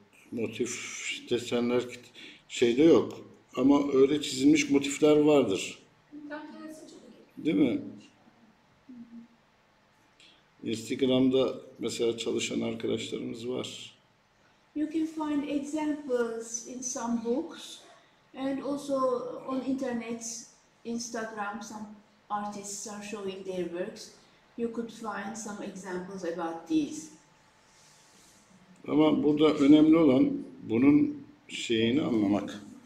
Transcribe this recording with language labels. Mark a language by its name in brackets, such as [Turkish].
[Turkish] Motif, desenler, şeyde yok. Ama öyle çizilmiş motifler vardır. Değil mi? Instagram'da mesela çalışan arkadaşlarımız var. [English] You can find examples in some books and also on internet, Instagram, some artists are showing their works. You could find some examples about these. [Turkish] Ama burada önemli olan bunun şeyini anlamak.